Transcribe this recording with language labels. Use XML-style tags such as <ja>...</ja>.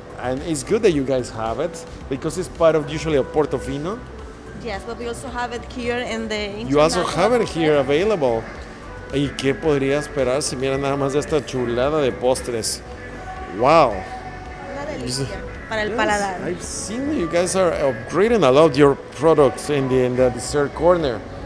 <en>And it's good that you guys have it, because it's part of usually a Portofino. Yes, but we also have it here in the international. You also have it here available.</en> <es>¿Y qué podría esperar si mira nada más de esta chulada de postres? Wow. Una delicia. Para el</es> <en>yes,</en> <es>paladar.</es> <en>I've seen you guys are upgrading a lot your products in the dessert corner.</en>